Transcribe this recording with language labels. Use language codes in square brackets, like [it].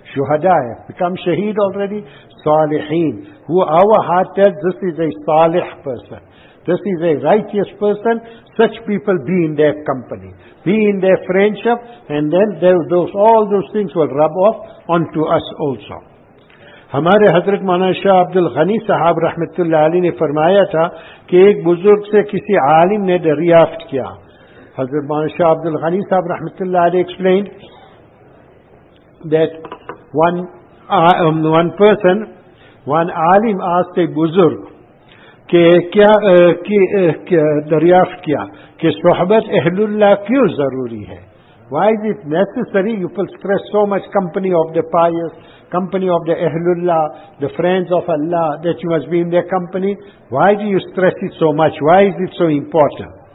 [en] Shuhada have become shaheed already. Salihin, who our heart tells, this is a salih person. This is a righteous person. Such people be in their company. Be in their friendship, and then all those things will rub off onto us also. [ur] ہمارے حضرت مولانا شاہ عبد الغنی صاحب رحمت اللہ علیہ نے فرمایا تھا کہ ایک بزرگ سے کسی عالم نے دریافت کیا. حضرت مولانا شاہ عبد الغنی صاحب رحمت اللہ علیہ [en] explained that one [ur] Alam [en] asked a [ur] بزرگ کہ دریافت کیا کہ صحبت اہل اللہ کیوں ضروری ہے. [en] Why is it necessary? You will stress so much company of the pious, company of the Ahlullah, the friends of Allah, that you must be in their company. Why do you stress it so much? Why is it so important?